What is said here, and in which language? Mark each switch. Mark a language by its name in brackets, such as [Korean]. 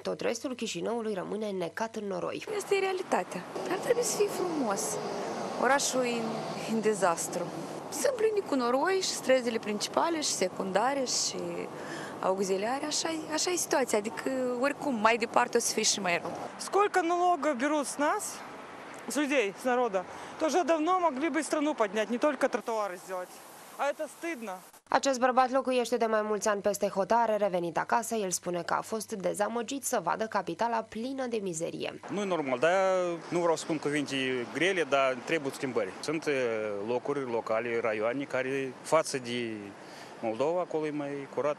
[Romanian] Tot restul Chișinăului rămâne necat în noroi. Asta e realitatea. Ar trebui să fie frumos. Orașul e în dezastru. Sunt plini cu noroi și străzile principale și secundare și auxiliare. Așa e situația. Adică, oricum, mai departe o să fie și mai rău. [Russian] Сколько много берут с нас? С людей, с народа. Тоже давно могли бы страну поднять, не только тротуары сделать. А это стыдно. [Romanian] Acest bărbat locuiește de mai mulți ani peste hotare. Revenit acasă, el spune că a fost dezamăgit să vadă capitala plină de mizerie. Nu e normal, dar nu vreau să spun cuvinte grele, dar trebuie schimbări. Sunt locuri locale, raioane, care față de Moldova, acolo e mai curat.